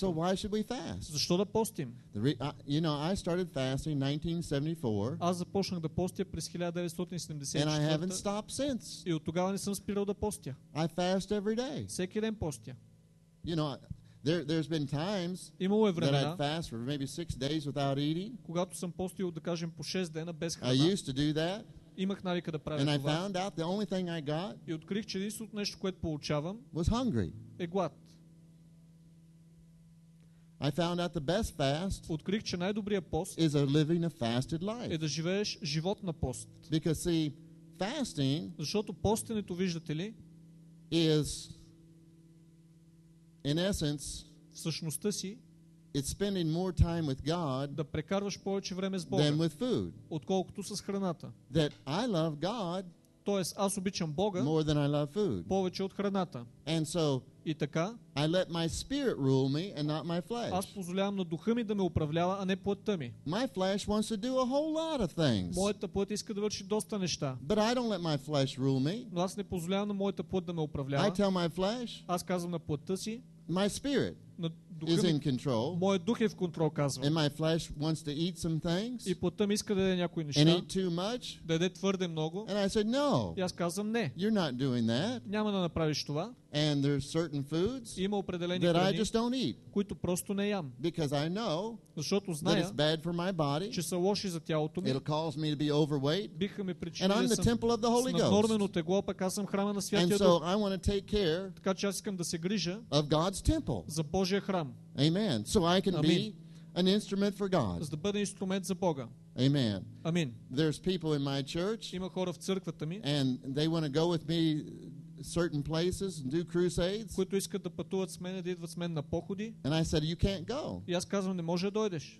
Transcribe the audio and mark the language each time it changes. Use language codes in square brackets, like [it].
[en] So why should we fast? [bg] Защо да постим? [en] You know, I started fasting 1974. [bg] Аз започнах да постя през 1974. [en] And I haven't stopped since. [bg] И от тогава не съм спирал да постя. [en] I fast every day. [bg] Всеки ден постя. [en] You know, There's been times that I'd fast for maybe 6 days without eating. [bg] Когато съм постил, да кажем, по 6 дена без храна. [en] I used to do that. [bg] Имах навика да правя [en] and [bg] това. [en] And I found out the only thing I got. [bg] И открих, че единственото нещо, което получавам, [en] was hungry. [bg] Е глад. [en] I found out the best fast [bg] открих, че най-добрият пост [en] is a living a fasted life. [bg] Е да живееш живот на пост. [en] Because see, fasting, [bg] защото постенето, виждате ли, [en] is in essence, [bg] всъщността си, [en] it's spending more time with God [bg] да прекарваш повече време с Бога, [en] than with food. [bg] Отколкото с храната. [en] That I love God, [bg] тоест аз обичам Бога [en] more than I love food. [bg] Повече от храната. [en] And so, [bg] и така, [en] I let my spirit rule me and not my flesh. [bg] Аз позволявам на духа ми да ме управлява, а не плътта ми. [en] My flesh wants to do a whole lot of things. [bg] Моята плът иска да върши доста неща. [en] But I don't let my flesh rule me. [bg] Но аз не позволявам на моята плът да ме управлява. [en] I tell my flesh, [bg] аз казвам на плътта си, [en] my spirit is in control. [bg] Моя дух е в контрол, казвам. [en] And my flesh wants to eat some things. [bg] И плътта ми иска да яде някои неща. [en] And eat too much. [bg] Да яде твърде много. [en] And I said no. [bg] И аз казвам не. [en] You're not doing that. [bg] Няма да направиш това. [en] And there are certain foods [bg] има определени [en] that [bg] храни, [en] I just don't eat. [bg] Които просто не ям. [en] Because I know, [bg] защото зная, [en] that it's bad for my body. [bg] Че са лоши за тялото ми. [en] It'll cause me to be overweight. [bg] Биха ме причинили. [en] And I'm the temple of the Holy Ghost. [bg] Нормено тегло, пък аз съм храма на Святия [en] Дух. And so I want to take care. [bg] Така че аз искам да се грижа [en] of God's temple. [bg] За Божия храм. [en] Amen. So I can Amen. Be an instrument for God. [bg] За да бъда инструмент за Бога. [en] Amen. [bg] Амин. [en] There's people in my church. [bg] Има хора в църквата ми. [en] And they want to go with me certain places and do crusades. [bg] Които искат да пътуват с мен, да идват с мен на походи. [en] And I said you can't go. [bg] И аз казвам не можеш да дойдеш.